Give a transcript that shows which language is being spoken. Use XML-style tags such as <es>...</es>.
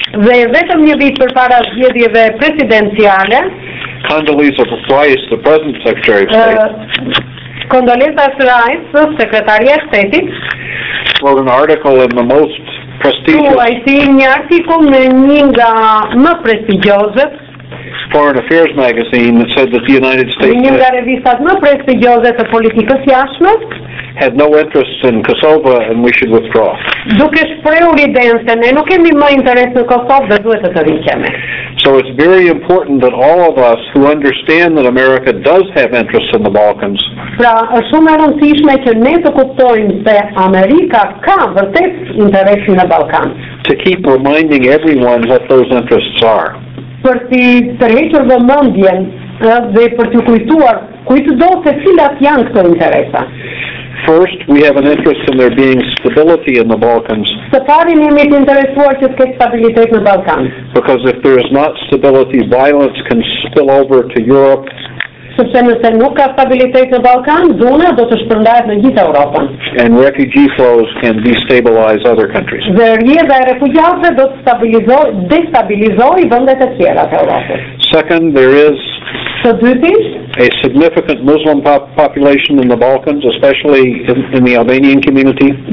<sq>Dhe vetëm një vit përpara zgjedhjeve presidenciale,</sq> <en>Condoleezza Rice, the present Secretary of State,</en> <sq>Condoleezza Rice, sekretaria e shtetit,</sq> <en>wrote an article in the most prestigious,</en> <sq>ai shkroi një artikull në një nga më prestigjioze</sq> <en>Foreign Affairs magazine that said that the United States,</en> <sq>një nga revistat më prestigjioze të politikës jashtme,</sq> <en>had no interest in Kosovo and we should withdraw.</en> <sq>Duke shprehur idenë se ne nuk kemi më interes në Kosovë dhe duhet të tërhiqemi.</sq> <en>So it's very important that all of us who understand that America does have interests in the Balkans.</en> <sq>Pra, është shumë e rëndësishme që ne të kuptojmë se Amerika ka vërtet interes në Ballkan.</sq> <en>To keep reminding everyone what those interests are.</en> <sq>Për të tërhequr vëmendjen dhe për t'ju kujtuar kujtdo se cilat janë këto interesa.</sq> <en>First, we have an interest in there being stability in the Balkans.</en> <sq>Së pari ne jemi të interesuar që të ketë stabilitet në Ballkan.</sq> <en>Because if there is not stability, violence can spill over to Europe.</en> <sq>Sepse nëse nuk ka stabilitet në Ballkan, dhuna do të shpërndahet në gjithë Europën.</sq> <en>And refugee flows can destabilize other countries.</en> <sq>Dhe rrjedha e refugjatëve do të destabilizojë vendet e tjera të Europës.</sq> <en>Second, there is a significant Muslim population in the Balkans, especially in the Albanian community.</en>